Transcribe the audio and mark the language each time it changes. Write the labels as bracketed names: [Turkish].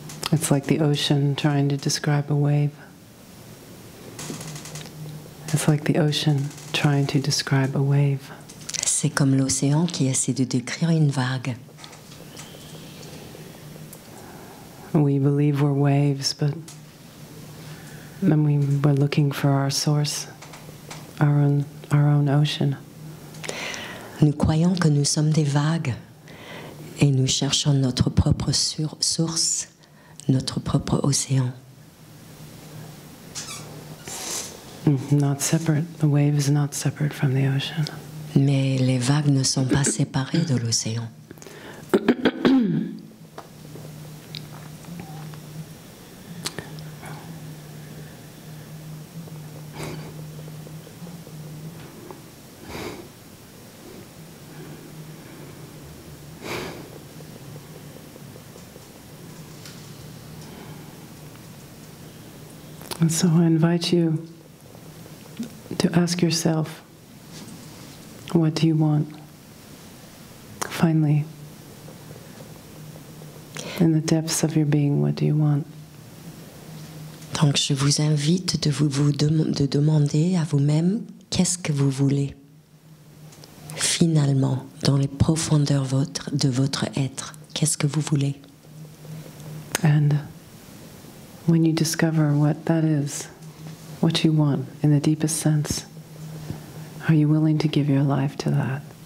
[English] It's like the ocean trying to describe a wave. It's like the ocean trying to describe a wave. [French] C'est comme l'océan qui essaie de décrire une vague. [English] We believe we're waves, but then we were looking for our source, our own ocean. [French] Nous croyons que nous sommes des vagues et nous cherchons notre propre source, notre propre océan. [English] Not separate. The wave is not separate from the ocean. [French] Mais les vagues ne sont pas séparées de l'océan. [English] And so I invite you to ask yourself, what do you want? Finally, in the depths of your being, what do you want? [French] Donc je vous invite de demander à vous-même, qu'est-ce que vous voulez? Finalement, dans les profondeurs de votre être, qu'est-ce que vous voulez? [English] And when you discover what that is, what you want in the deepest sense, are you willing to give your life to that?